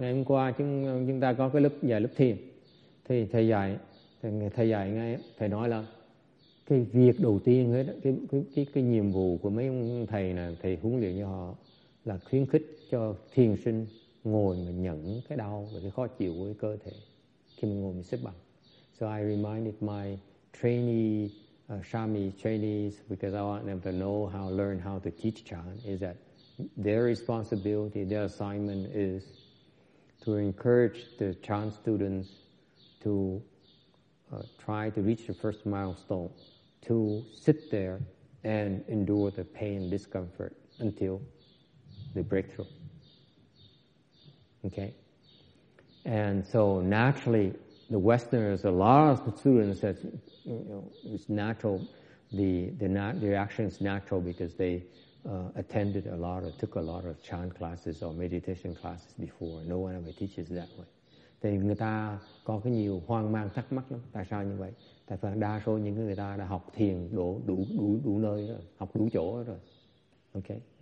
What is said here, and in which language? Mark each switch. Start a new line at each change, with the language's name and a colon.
Vietnamese: Ngày hôm qua chúng ta có cái lớp dạy lớp thiền. Thì thầy dạy ngay, thầy nói là cái việc đầu tiên hết, cái nhiệm vụ của mấy ông thầy này, thầy huấn luyện cho họ là khuyến khích cho thiền sinh ngồi mà nhận cái đau và cái khó chịu của cái cơ thể khi mình ngồi mình xếp bằng.
English: So I reminded my trainees, because I want them to know how, learn how to teach chan, is that their responsibility, their assignment is to encourage the chan students to try to reach the first milestone, to sit there and endure the pain and discomfort until the breakthrough. Okay? And so naturally, the Westerners, a lot of students, says, you know, it's natural. The reaction is natural because they attended a lot of, took a lot of chant classes or meditation classes before. No one ever teaches that way.
Vietnamese: Thì người ta có cái nhiều hoang mang thắc mắc lắm. Tại sao như vậy? Tại phần đa số những người ta đã học thiền đủ nơi rồi, học đủ chỗ rồi. Okay.